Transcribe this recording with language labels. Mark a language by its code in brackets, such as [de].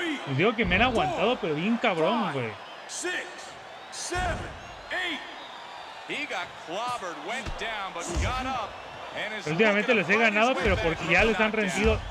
[es] Y digo que me han aguantado, pero bien cabrón, güey. 6, 7, 8. [en] He got clobbered, went down, but got up. [es] Últimamente les he ganado, pero porque ya les han rendido.